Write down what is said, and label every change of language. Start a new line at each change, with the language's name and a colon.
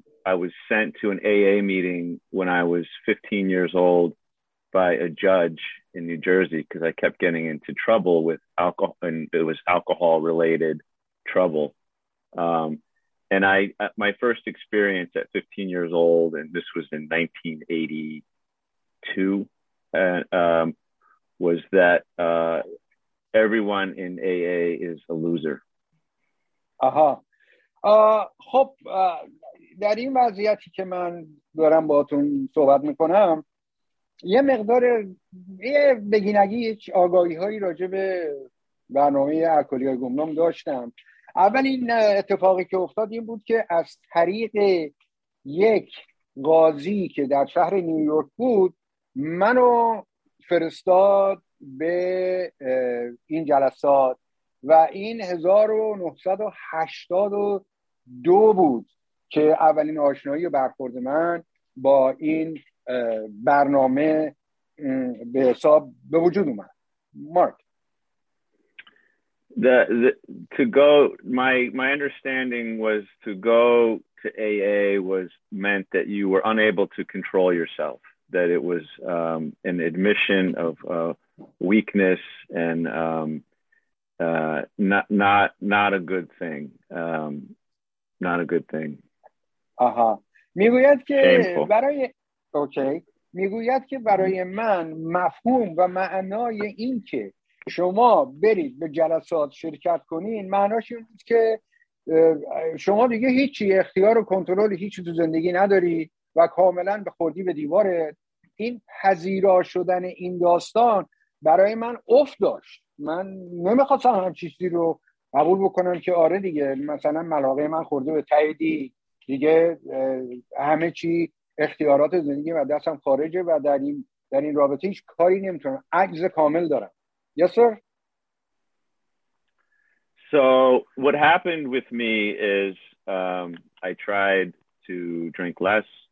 English: I was sent to an AA meeting when I was 15 years old by a judge in New Jersey because I kept getting into trouble with alcohol, and it was alcohol-related trouble. My first experience at 15 years old, and this was in 1982, was that everyone in AA is a loser. Aha.
Persian: خب در این وضعیتی که من دارم باهاتون صحبت میکنم یه مقدار یه بگینگی یه آگاهی هایی راجع به برنامه الکلی‌های گمنام داشتم. اولین اتفاقی که افتاد این بود که از طریق یک قاضی که در شهر نیویورک بود منو فرستاد به این جلسات و این 1982 بود که اولین آشنایی و برخورد من با این برنامه به حساب به وجود اومد. مارک.
English: To go, my understanding was to go to AA was meant that you were unable to control yourself, that it was an admission of weakness and not a good thing.
Persian: آها میگوید که برای اوکی میگوید که برای من مفهوم و معنای این که شما برید به جلسات شرکت کنین معناش این بود که شما دیگه هیچی اختیار و کنترل هیچی تو زندگی نداری و کاملا به خوردی به دیواره. این پذیرا شدن این داستان برای من افت داشت. من نمیخواستم هم چیزی رو قبول بکنم که آره دیگه مثلا ملاقه من خورده به تایدی دیگه همه چی اختیارات زندگی و دستم خارجه و در این رابطه هیچ کاری نمیتونم. عجز کامل دارم.
English: Yes, sir. So what happened with me is I tried to drink less.